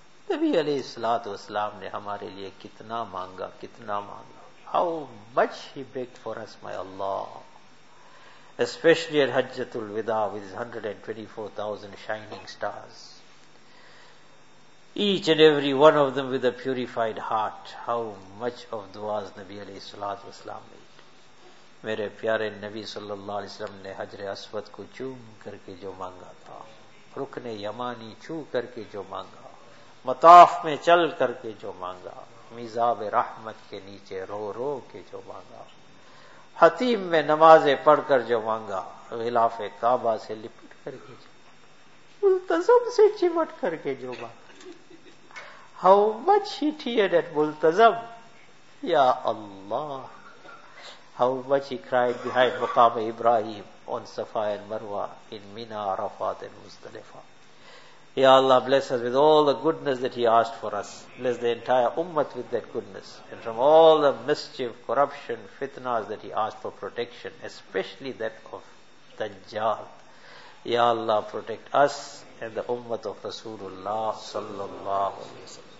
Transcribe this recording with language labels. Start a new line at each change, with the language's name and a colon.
Urdu: نبی علیہ الصلوۃ والسلام نے ہمارے لیے کتنا مانگا, کتنا مانگا.
English: How much he begged for us, my Allah. Especially at Hajjat al-Wida with his 124,000 shining stars. Each and every one of them with a purified heart. How much of duas Nabi علیہ الصلوۃ والسلام made.
Urdu: میرے پیارے نبی صلی اللہ علیہ وسلم نے حجر اسود کو چوم کر کے جو مانگا تھا، رکن یمانی چھو کر کے جو مانگا، مطاف میں چل کر کے جو مانگا، میزاب رحمت کے نیچے رو رو کے جو مانگا، حتیم میں نمازیں پڑھ کر جو مانگا، غلاف کعبہ سے لپٹ کر کے جو، ملتزم سے چمٹ کر کے جو مانگا،
English: How much he teared at Multazam, یا Allah how much he cried behind Maqam Ibrahim on Safa and Marwah in Mina Arafat and Muzdalifah. Ya Allah, bless us with all the goodness that He asked for us. Bless the entire ummah with that goodness. And from all the mischief, corruption, fitnas that He asked for protection, especially that of Dajjal. Ya Allah, protect us and the ummah of Rasulullah sallallahu alayhi wa sallam.